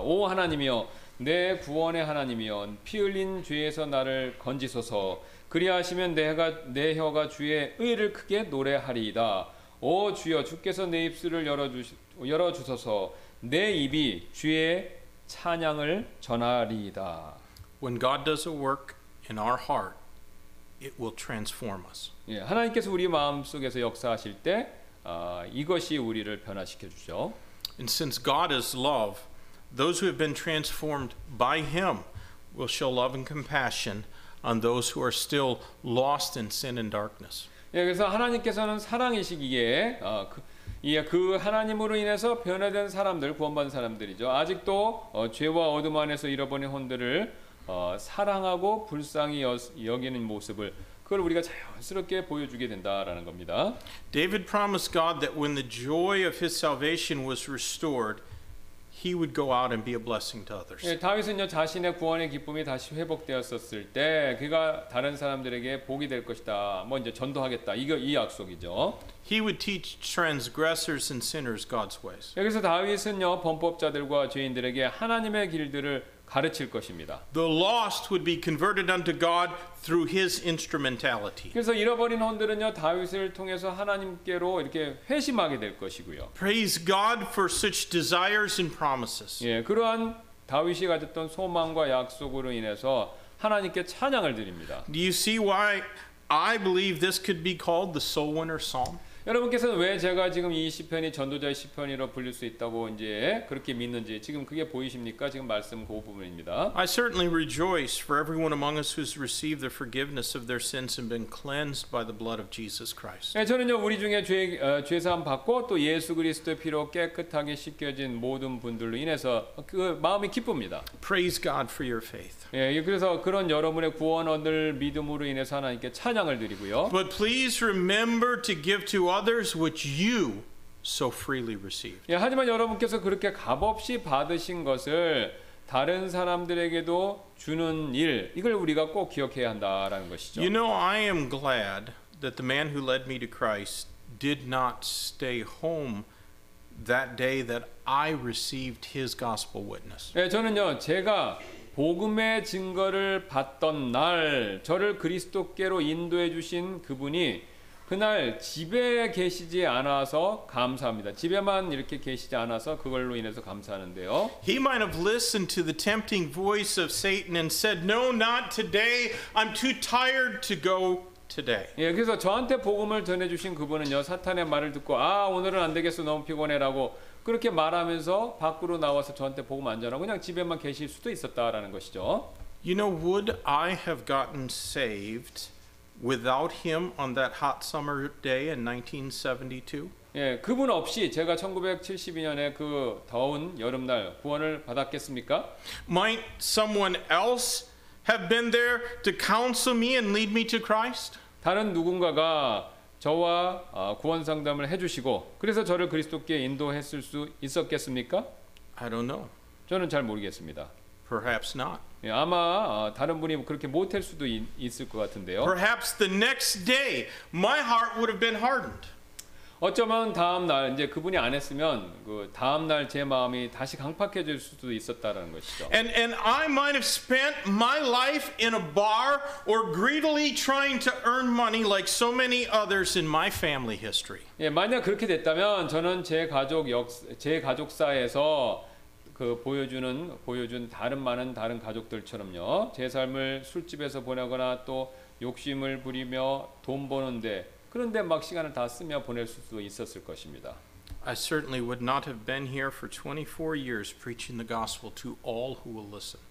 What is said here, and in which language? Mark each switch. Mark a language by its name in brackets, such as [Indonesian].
[Korean] 오 하나님이여 내 구원의 하나님이여 피 흘린 죄에서 나를 건지소서. 그리하시면 내 혀가 주의 의를 크게 노래하리이다. 오 주여 주께서 내 입술을 열어주소서. 내 입이 주의 찬양을 전하리이다. [English] When God does a work in our heart, it will transform us. [Korean] 예, 하나님께서 우리 마음 속에서 역사하실 때 이것이 우리를 변화시켜 주죠. [English] And since God is love, those who have been transformed by Him will show love and compassion on those who are still lost in sin and darkness. [Korean] 예, 그래서 하나님께서는 사랑이시기에 그 하나님으로 인해서 변화된 사람들, 구원받은 사람들이죠. 아직도 죄와 어둠 안에서 잃어버린 혼들을 사랑하고 불쌍히 여기는 모습을 그걸 우리가 자연스럽게 보여주게 된다라는 겁니다. [English] David promised God that when the joy of his salvation was restored, he would go out and be a blessing to others. [Korean] 예, 다윗은요 자신의 구원의 기쁨이 다시 회복되었었을 때 그가 다른 사람들에게 복이 될 것이다. 뭐 이제 전도하겠다. 이 약속이죠. [English] He would teach transgressors and sinners God's ways. [Korean] 여기서 다윗은요 범법자들과 죄인들에게 하나님의 길들을 가르칠 것입니다. [English] The lost would be converted unto God through his instrumentality. [Korean] 그래서 잃어버린 혼들은요 다윗을 통해서 하나님께로 이렇게 회심하게 될 것이고요. [English] Praise God for such desires and promises. [Korean] 예, 그러한 다윗이 가졌던 소망과 약속으로 인해서 하나님께 찬양을 드립니다. [English] Do you see why I believe this could be called the soul winner psalm? [Korean] 여러분께서는 왜 제가 지금 이 시편이 전도자의 시편이라고 불릴 수 있다고 이제 그렇게 믿는지 지금 그게 보이십니까? 지금 말씀 그 부분입니다. [English] I certainly rejoice for everyone among us who's received the forgiveness of their sins and been cleansed by the blood of Jesus Christ. [Korean] 예, 저는요 우리 중에 죄 사함 받고 또 예수 그리스도의 피로 깨끗하게 씻겨진 모든 분들로 인해서 그 마음이 기쁩니다. [English] Praise God for your faith. [Korean] 예, 그래서 그런 여러분의 구원 얻을 믿음으로 인해서 하나님께 찬양을 드리고요. [English] But please remember to give to others which you so freely received. [Korean] 예, 하지만 여러분께서 그렇게 값없이 받으신 것을 다른 사람들에게도 주는 일, 이걸 우리가 꼭 기억해야 한다라는 것이죠. [English] You know, I am glad that the man who led me to Christ did not stay home that day that I received his gospel witness. [Korean] 예, 저는요, 제가 복음의 증거를 받던 날, 저를 그리스도께로 인도해 주신 그분이 그날 집에 계시지 않아서 감사합니다. 집에만 이렇게 계시지 않아서 그걸로 인해서 감사하는데요. [English] He might have listened to the tempting voice of Satan and said, "No, not today. I'm too tired to go today." [Korean] 예, 그래서 저한테 복음을 전해 주신 그분은요, 사탄의 말을 듣고 아, 오늘은 안 되겠어. 너무 피곤해라고 그렇게 말하면서 밖으로 나와서 저한테 복음 안 전하고 그냥 집에만 계실 수도 있었다라는 것이죠. [English] You know, would I have gotten saved without him on that hot summer day in 1972? [Korean] 예, 그분 없이 제가 1972년에 그 더운 여름날 구원을 받았겠습니까? [English] Might someone else have been there to counsel me and lead me to Christ? [Korean] 다른 누군가가 저와 구원 상담을 해 주시고 그래서 저를 그리스도께 인도했을 수 있었겠습니까? [English] I don't know. [Korean] 저는 잘 모르겠습니다. [English] Perhaps not. [Korean] 예, 아마 다른 분이 그렇게 못할 수도 있을 것 같은데요. [English] Perhaps the next day my heart would have been hardened. [Korean] 어쩌면 다음 날 이제 그분이 안 했으면 그 다음 날 제 마음이 다시 강팍해질 수도 있었다라는 것이죠. [English] And I might have spent my life in a bar or greedily trying to earn money like so many others in my family history. [Korean] 예, 만약 그렇게 됐다면 저는 제 가족 사이에서 그 보여준 다른 많은 다른 가족들처럼요. 제 삶을 술집에서 보내거나 또 욕심을 부리며 돈 버는데 그런데 막 시간을 다 쓰며 보낼 수도 있었을 것입니다. [English] I certainly would not have been here for 24 years preaching the gospel to all who will listen.